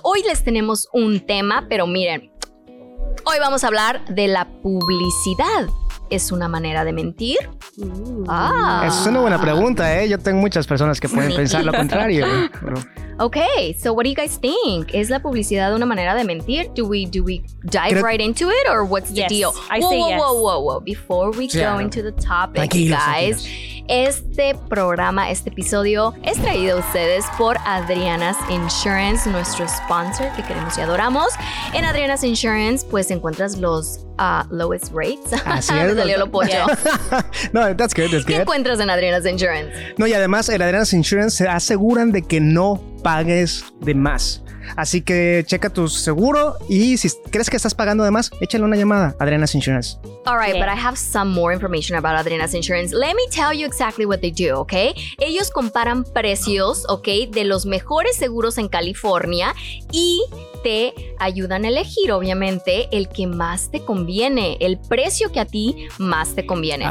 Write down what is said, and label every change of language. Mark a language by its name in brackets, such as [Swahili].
[Spanish] Hoy les tenemos un tema, pero miren, hoy vamos a hablar de la publicidad. ¿Es una manera de mentir? Es una buena pregunta, ¿eh? Yo tengo muchas personas que pueden pensar lo contrario. [English] Okay, so what do you guys think? [Spanish] ¿Es la publicidad una manera de mentir? [English] Do we dive right into it or what's the deal? Whoa, before we go into the topic, tranquilos, guys. [Spanish] Tranquilos. Este programa, este episodio es traído a ustedes por Adriana's Insurance, nuestro sponsor que queremos y adoramos. En Adriana's Insurance pues encuentras los [English] lowest rates. [Spanish] Así es. Salió lo pollo. [English] No, that's good. [Spanish] ¿Qué encuentras en Adriana's Insurance? No, y además en Adriana's Insurance se aseguran de que no pagues de más. Así que checa tu seguro y si crees que estás pagando de más, échale una llamada a Adriana's Insurance. [English] All right, but I have some more information about Adriana's Insurance. Let me tell you exactly what they do, okay? [Spanish] Ellos comparan precios, okay, de los mejores seguros en California y te ayudan a elegir, obviamente, el que más te conviene, el precio que a ti más te conviene.